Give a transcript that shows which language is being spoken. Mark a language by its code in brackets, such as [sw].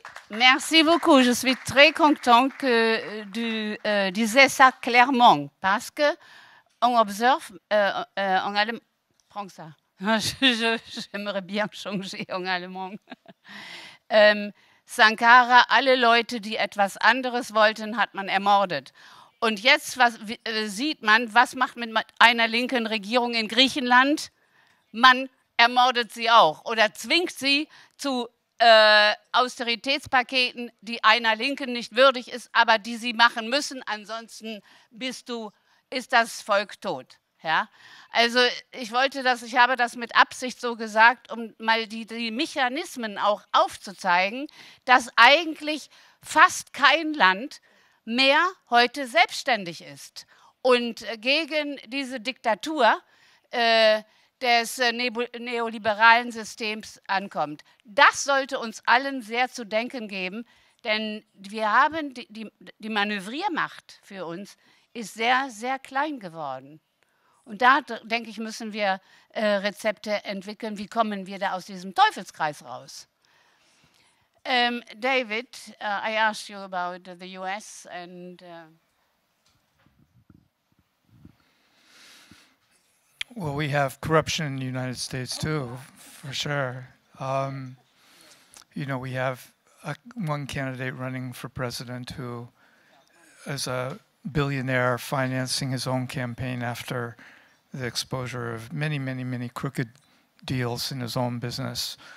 [fr] Merci beaucoup. Je suis très contente que tu disais ça clairement parce que on observe en allemand. Prends ça. J'aimerais bien changer en allemand. [de] Sankara, alle Leute, die etwas anderes wollten, hat man ermordet. Und jetzt sieht man, was macht mit einer linken Regierung in Griechenland? Man ermordet sie auch oder zwingt sie zu Austeritätspaketen, die einer Linken nicht würdig ist, aber die sie machen müssen, ansonsten ist das Volk tot. Ja? Also ich habe das mit Absicht so gesagt, um mal die Mechanismen auch aufzuzeigen, dass eigentlich fast kein Land mehr heute selbstständig ist. Und gegen diese Diktatur des neoliberalen Systems ankommt. Das sollte uns allen sehr zu denken geben, denn wir haben die Manövriermacht für uns ist sehr, sehr klein geworden. Und da, denke ich, müssen wir Rezepte entwickeln. Wie kommen wir da aus diesem Teufelskreis raus? [en] David, I asked you about the US and... Well, we have corruption in the United States too, for sure. You know, we have one candidate running for president who is a billionaire financing his own campaign after the exposure of many, many, many crooked deals in his own business.